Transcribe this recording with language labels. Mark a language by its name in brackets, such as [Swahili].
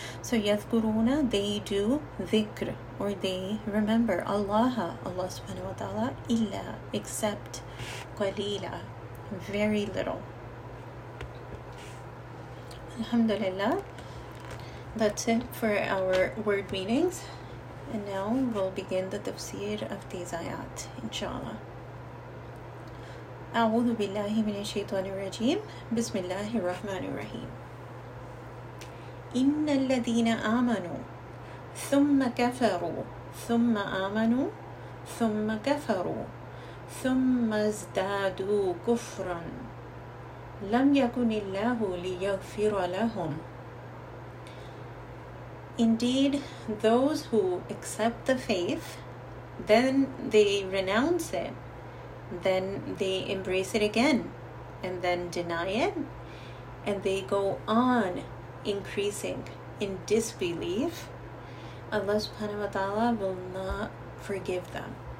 [English] So yadhkuruna, they do dhikr, or they remember, Allaha, Allah subhanahu wa ta'ala, illa, except, qalila, very little. Alhamdulillah, that's it for our word meanings, and now we'll begin the tafsir of these ayat, inshallah. [Arabic] أعوذ بالله من الشيطان الرجيم بسم الله الرحمن الرحيم إن الذين آمنوا ثم كفروا ثم آمنوا ثم كفروا ثم ازدادوا كفرا لم يكن الله ليغفر لهم. [English] Indeed, those who accept the faith, then they renounce it, then they embrace it again, and then deny it, and they go on increasing in disbelief, Allah subhanahu wa ta'ala will not forgive them.